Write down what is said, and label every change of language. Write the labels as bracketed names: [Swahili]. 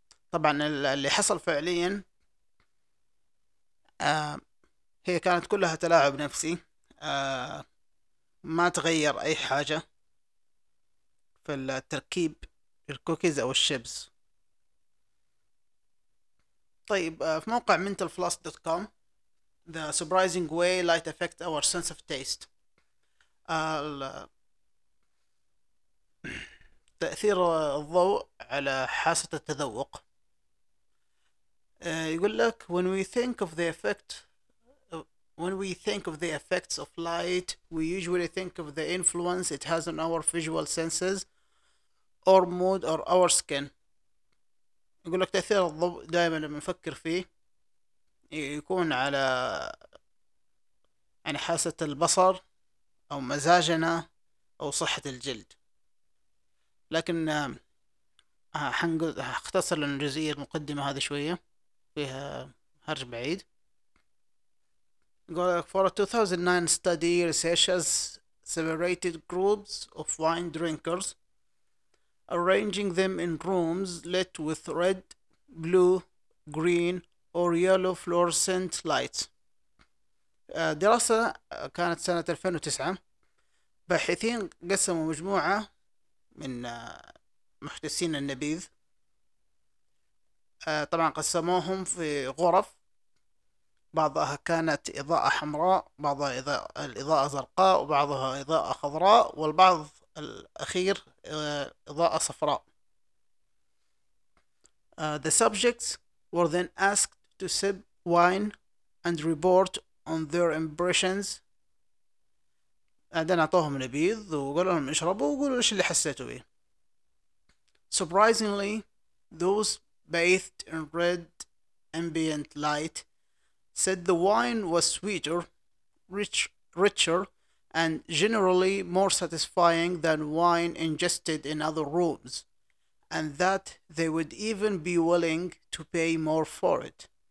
[Arabic] طبعا اللي حصل فعليا هي كانت كلها تلاعب نفسي، ما تغير أي حاجة في التركيب الكوكيز أو الشيبس. طيب في موقع [English] mentalfloss.com The surprising way light affects our sense of taste. [Arabic] تأثير الضوء على حاسة التذوق. يقول لك [English] when we think of the effect When we think of the effects of light, we usually think of the influence it has on our visual senses or mood or our skin. [Arabic] يقول لك تأثير الضوء دائما لما نفكر فيه يكون على يعني حاسة البصر أو مزاجنا أو صحة الجلد. لكن هختصر لأن الجزئية المقدمة هذه شوية فيها هرج بعيد. [English] For a 2009 study, researchers separated groups of wine drinkers, arranging them in rooms lit with red, blue, green, or yellow fluorescent lights. [Arabic] دراسة كانت سنة 2009. باحثين قسموا مجموعة من محتسين النبيذ. طبعا قسموهم في غرف. بعضها كانت إضاءة حمراء، بعضها الإضاءة زرقاء، وبعضها إضاءة خضراء، والبعض الأخير إضاءة صفراء. [English] The subjects were then asked to sip wine and report on their impressions. [Arabic] بعدين أعطوهم نبيذ وقالوا لهم اشربوا وقولوا إيش اللي حسيتوا به. [English] Surprisingly, those bathed in red ambient light said the wine was sweeter, richer, and generally more satisfying than wine ingested in other rooms, and that they would even be willing to pay more for it.